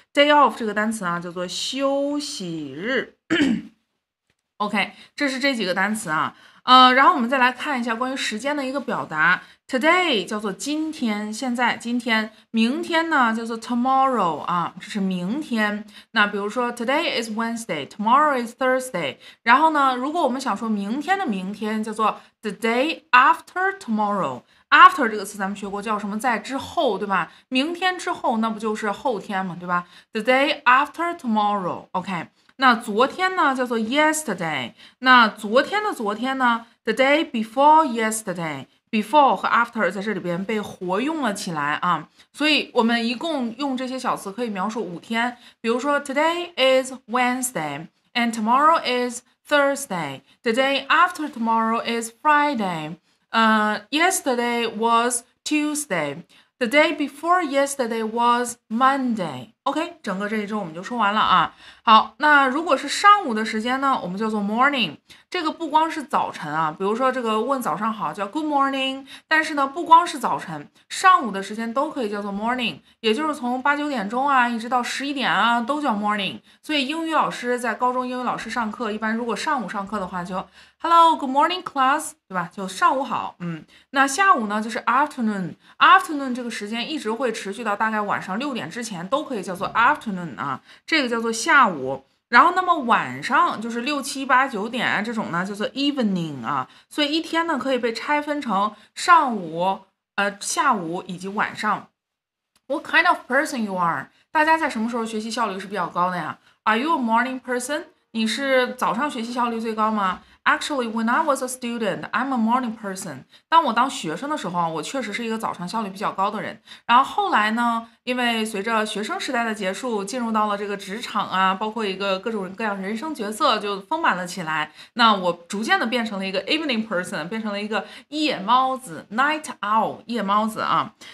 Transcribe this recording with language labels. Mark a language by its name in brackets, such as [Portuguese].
[Chinese] day off 这个单词啊，叫做休息日 OK，这是这几个单词啊。然后我们再来看一下关于时间的一个表达。Today 叫做今天，现在今天，明天呢叫做 tomorrow 啊，这是明天。那比如说 [English] today is Wednesday，tomorrow is Thursday。 [Chinese] 然后呢，如果我们想说明天的明天，叫做 [English] the day after tomorrow。 [Chinese] after 这个词咱们学过，叫什么在之后，对吧？明天之后，那不就是后天嘛，对吧？ [English] the day after tomorrow， [Chinese] OK。那昨天呢，叫做 yesterday。那昨天的昨天呢， [English] the day before yesterday。 [Chinese] before 和 after 在这里边被活用了起来啊，所以我们一共用这些小词可以描述5天。比如说， [English] today is Wednesday and tomorrow is Thursday. The day after tomorrow is Friday. Yesterday was Tuesday. The day before yesterday was Monday. [Chinese] OK， 整个这一周我们就说完了啊。好，那如果是上午的时间呢，我们叫做 morning。这个不光是早晨啊，比如说这个问早上好叫 good morning， 但是呢不光是早晨，上午的时间都可以叫做 morning， 也就是从八九点钟啊一直到十一点啊都叫 morning。所以英语老师在高中英语老师上课，一般如果上午上课的话就 [English] hello good morning class， [Chinese] 对吧，就上午好。嗯，那下午呢就是 afternoon。afternoon 这个时间一直会持续到大概晚上六点之前都可以叫做 afternoon 啊，这个叫做下午。然后那么晚上就是六七八九点这种呢叫做 evening 啊。所以一天呢可以被拆分成上午、下午以及晚上。 [English] What kind of person you are? [Chinese] 大家在什么时候学习效率是比较高的呀？ [English] Are you a morning person? [Chinese] 你是早上学习效率最高吗？ [English] Actually, when I was a student, I'm a morning person. [Chinese] 当我当学生的时候，我确实是一个早上效率比较高的人。然后后来呢，因为随着学生时代的结束，进入到了这个职场啊，包括一个各种各样人生角色就丰满了起来。那我逐渐的变成了一个 evening person， 变成了一个夜猫子 ，night owl， 夜猫子啊。